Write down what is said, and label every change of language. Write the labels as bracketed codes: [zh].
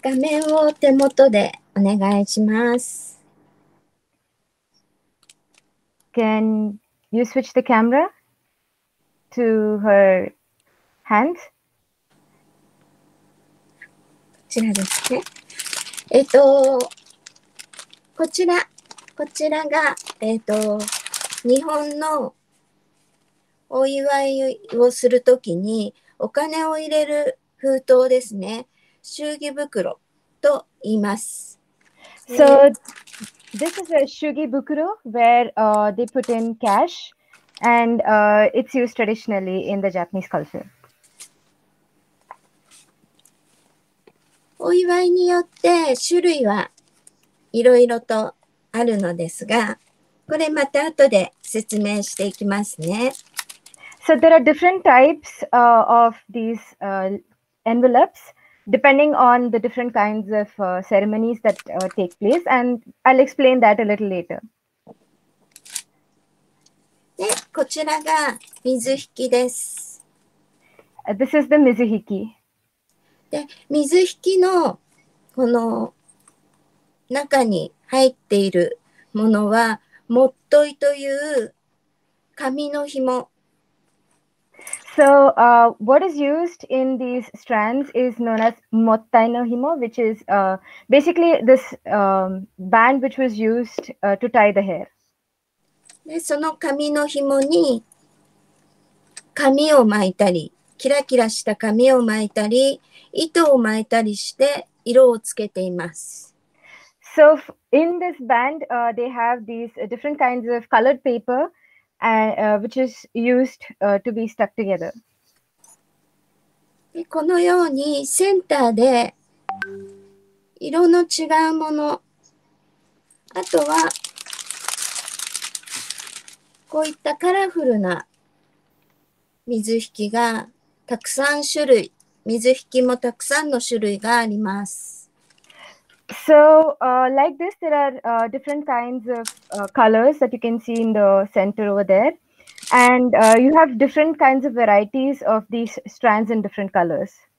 [ja] 画面を手元でお願いします。 [en] Can you switch the camera to her hand? [ja] こちらですね。こちらが、日本のお祝いをするときにお金を入れる封筒ですね。祝儀袋と言います。 [en] So, this is a 祝儀袋 where they put in cash and it's used traditionally in the Japanese culture. [ja] お祝いによって種類はいろいろとあるのですが、これまた後で説明していきますね。 [en] So there are different types of these envelopes depending on the different kinds of ceremonies that take place, and I'll explain that a little later. [ja] で、こちらが Mizuhiki です。 [en] This is the Mizuhiki. [ja] で、Mizuhiki のこの中に入っているものは、もっといという紙の紐。 [en] So, what is used in these strands is known as [ja] mottai no himo, [en] which is basically this band which was used to tie the hair. [ja] その紙の紐に紙を巻いたり、キラキラした紙を巻いたり、糸を巻いたりして色をつけています。 [en] So, in this band, they have these different kinds of colored paper. Which is used to be stuck together. [ja] このようにセンターで色の違うもの、あとはこういったカラフルな水引きがたくさん種類、水引きもたくさんの種類があります。 [en] So, like this, there are different kinds of colors that you can see in the center over there. And you have different kinds of varieties of these strands in different colors.